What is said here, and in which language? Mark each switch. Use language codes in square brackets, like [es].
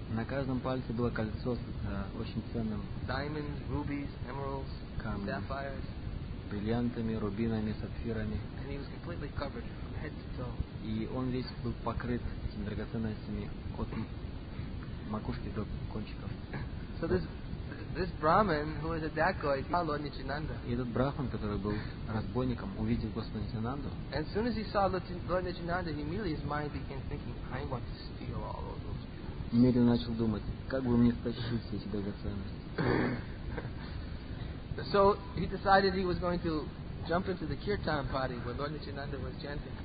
[ru] На каждом пальце было кольцо с очень ценным. [en] Diamonds, rubies, emeralds, [ru] камни, [en] sapphires. [ru] Бриллиантами, рубинами, сапфирами. [en] And he was completely covered from head to toe. [ru] И он весь был покрыт этими драгоценностями от макушки до кончиков. [en] So this Brahmin, who is a dacoit, he saw Lord Nityananda. [ru] И этот брахман, который был разбойником, увидел Господа Нитянанду. [en] And as soon as he saw Lord Nityananda, he immediately his mind began thinking, I want to steal all of those jewels. [ru] Немедленно начал думать, как бы мне стащить все эти драгоценности. [en] So he decided he was going to jump into the kirtan party where Lord Nityananda was chanting.